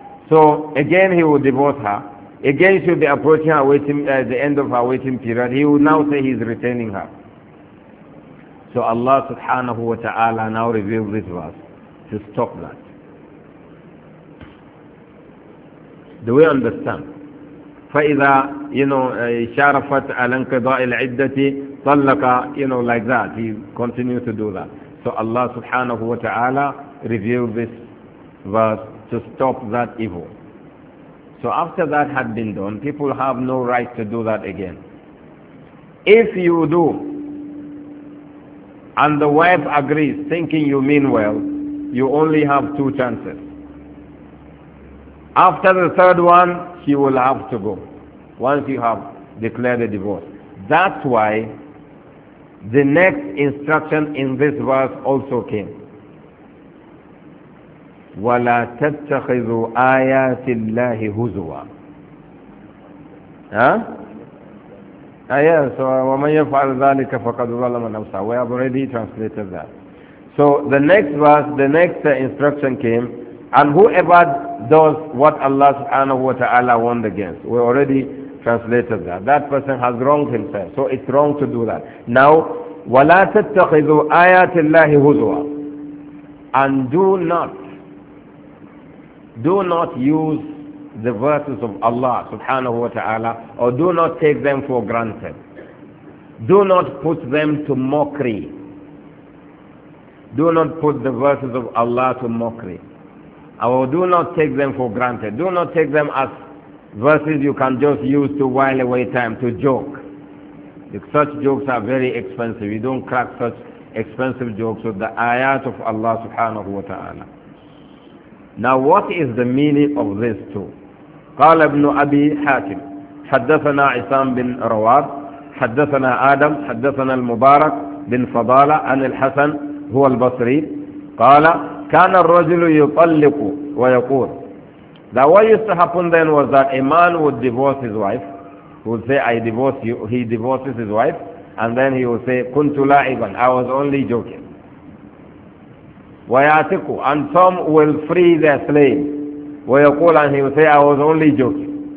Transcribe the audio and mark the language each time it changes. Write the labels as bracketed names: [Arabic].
[English] So again he will divorce her. Again she will be approaching her the end of her waiting period. He will now say he is retaining her. So Allah subhanahu wa ta'ala now revealed this verse to stop that. Do we understand? [Arabic] فَإِذَا شَارَفَتْ أَلَنْكَضَاءِ الْعِدَّةِ طَلَّقَ, [English] like that. He continued to do that. So Allah subhanahu wa ta'ala revealed this verse to stop that evil. So after that had been done, people have no right to do that again. If you do, and the wife agrees, thinking you mean well, you only have two chances. After the third one, she will have to go, once you have declared the divorce. That's why the next instruction in this verse also came. [Arabic] وَلَا تَتَّخِذُوا آيَاتِ اللَّهِ هُزُوًا. [English] Yes, [Arabic] وَمَنْ يَفْعَلْ ذَلِكَ فَقَدْ ظَلَمَ نَفْسَهُ. [English] We have already translated that. So the next verse, the next instruction came, and whoever does what Allah subhanahu wa ta'ala warned against, we already translated that, that person has wronged himself. So it's wrong to do that. Now, [Arabic] وَلَا تَتَّخِذُوا آيَاتِ اللَّهِ هُزُوًا. [English] And do not use the verses of Allah subhanahu wa ta'ala, or do not take them for granted. Do not put them to mockery. Do not put the verses of Allah to mockery. Or do not take them for granted. Do not take them as verses you can just use to while away time, to joke. Because such jokes are very expensive. You don't crack such expensive jokes with the ayat of Allah subhanahu wa ta'ala. Now what is the meaning of this too? [Arabic] قال ابن أبي حاتم حدثنا عصام بن رواد حدثنا آدم حدثنا المبارك بن فضالة عن الحسن هو البصري قال كان الرجل يطلق ويقول. [English] Now what used to happen then was that a man would divorce his wife, would say I divorce you, he divorces his wife, and then he would say [Arabic] كنت لاعبا, [English] I was only joking. [Arabic] ويعتقوا, [English] and some will free their slave. [Arabic] ويقول, [English] and he will say, I was only joking.